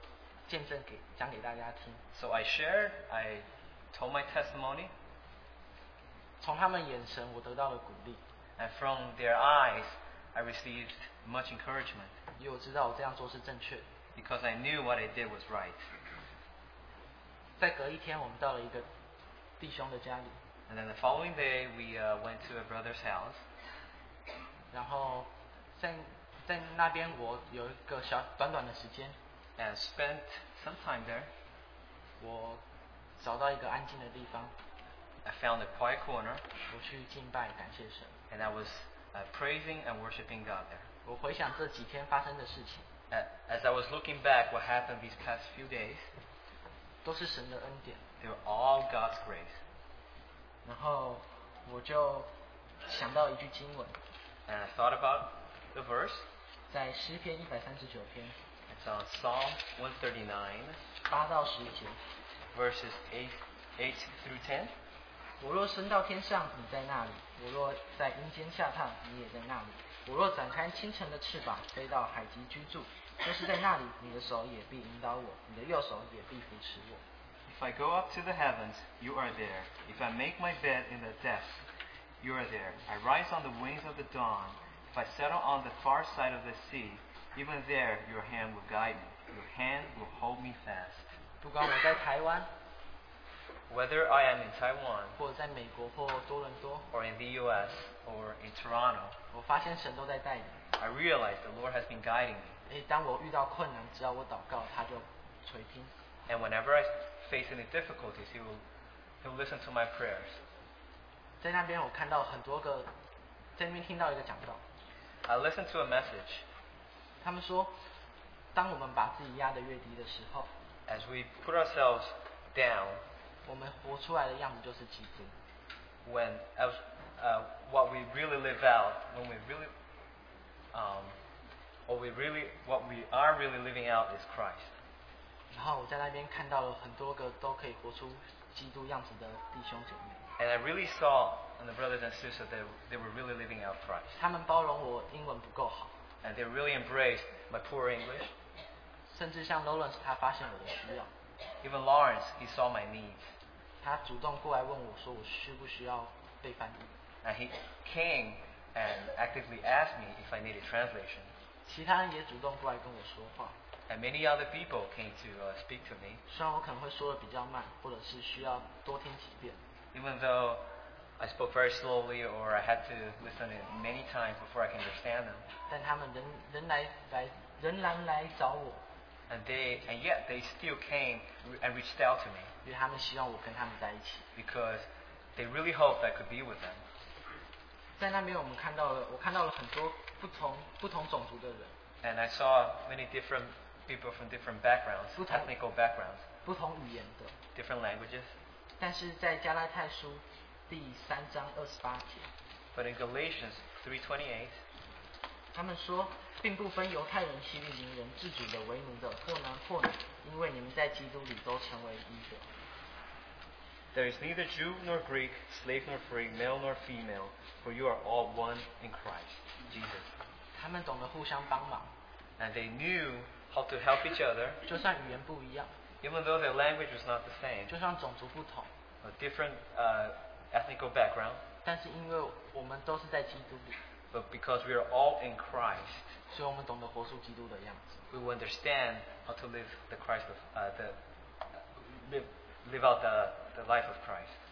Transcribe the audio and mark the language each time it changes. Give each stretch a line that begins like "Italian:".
Chinese: 所以我仍然上台，我将我的见证给讲给大家听。
English: So I shared, I told my testimony.
Chinese: 从他们眼神我得到了鼓励。
English: And from their eyes, I received much encouragement.
Chinese: 因为我知道我这样做是正确。
English: Because I knew what I did was right.
Chinese: 再隔一天，我们到了一个弟兄的家里。
English: And then the following day, we went to a brother's house.
Chinese: 然后在那边我有一个小短短的时间。
English: And spent some time there.
Chinese: 我找到一个安静的地方。
English: I found a quiet corner.
Chinese: 我去敬拜感谢神。
English: And I was praising and worshiping God there.
Chinese: 我回想这几天发生的事情。
English: As I was looking back, what happened these past few days?
Chinese: 都是神的恩典。
English: They were all God's grace.
Chinese: 然后我就想到一句经文。
English: And I thought about the verse.
Chinese: 在诗篇一百三十九篇。
English: It's on Psalm 139.
Chinese: 八到十节。
English: Verses 8 through 10.
Chinese: 我若升到天上，你在那里；我若在阴间下榻，你也在那里。我若展开清晨的翅膀，飞到海极居住，就是在那里，你的手也必引导我，你的右手也必扶持我。
English: If I go up to the heavens, you are there. If I make my bed in the depths, you are there. I rise on the wings of the dawn. If I settle on the far side of the sea, even there your hand will guide me. Your hand will hold me fast.
Chinese: 不管我在台湾
English: Whether I am in Taiwan,
Chinese: 或在美国或多伦多
English: or in the US, or in Toronto,
Chinese: 我发现神都在带领
English: I realize the Lord has been guiding me.
Chinese: 当我遇到困难，只要我祷告，他就垂听
English: And whenever I face any difficulties, he'll listen to my prayers.
Chinese: 在那边我看到很多个在那边听到一个讲道
English: I listened to a message.
Chinese: 他们说当我们把自己压得越低的时候
English: As we put ourselves down,
Chinese: 我们活出来的样子就是基督
English: When what we really live out, when we really, what we are really living out is Christ.
Chinese: 然后我在那边看到了很多个都可以活出基督样子的弟兄姐妹。
English: And I really saw in the brothers and sisters that they were really living out Christ.
Chinese: 他们包容我英文不够好。
English: And they really embraced my poor English.
Chinese: 甚至像 Lawrence 他发现我的需要。
English: Even Lawrence, he saw my needs.
Chinese: 他主动过来问我说我需不需要被翻译。
English: And he came and actively asked me if I needed translation.
Chinese: 其他人也主动过来跟我说话。
English: And many other people came to speak to me.
Chinese: 虽然我可能会说的比较慢，或者是需要多听几遍。
English: Even though I spoke very slowly or I had to listen it many times before I can understand them.
Chinese: 但他们仍然来找我。
English: And yet they still came and reached out to me.
Chinese: 因为他们希望我跟他们在一起。
English: Because they really hoped I could be with them.
Chinese: 在那边我看到了很多不同种族的人。
English: And I saw many different people from different backgrounds, technical backgrounds.
Chinese: 不同语言的。
English: Different languages.
Chinese: 但是在加拉太书第三章二十八节。
English: But in Galatians 3:28,
Chinese: 他们说，并不分犹太人、希律人、自主的、为奴的，或男或女，因为你们在基督里都成为一个。
English: There is neither Jew nor Greek, slave nor free, male nor female, for you are all one in Christ Jesus.
Chinese: 他们懂得互相帮忙。
English: And they knew how to help each other.
Chinese: 就算语言不一样。
English: Even though their language was not the same.
Chinese: 就算种族不同。
English: A different ethnical background.
Chinese: 但是因为我们都是在基督里。
English: But because we are all in Christ.
Chinese: 所以我们懂得活出基督的样子。
English: We will understand how to live the Christ of live out the life of Christ.